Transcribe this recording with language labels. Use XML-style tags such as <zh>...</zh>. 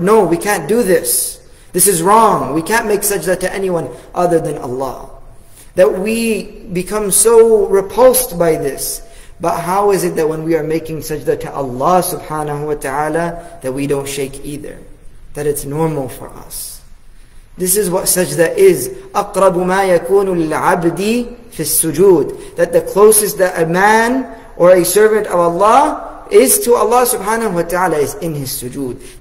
<en>No, we can't do this. This is wrong. We can't make sajda to anyone other than Allah. That we become so repulsed by this. But how is it that when we are making sajda to Allah subhanahu wa ta'ala, that we don't shake either? That it's normal for us. This is what sajda is.</en> <ar>أَقْرَبُ مَا يَكُونُ لِلْعَبْدِ فِي السُّجُودِ.</ar> <en>That the closest that a man or a servant of Allah is to Allah subhanahu wa ta'ala is in his sujood.</en>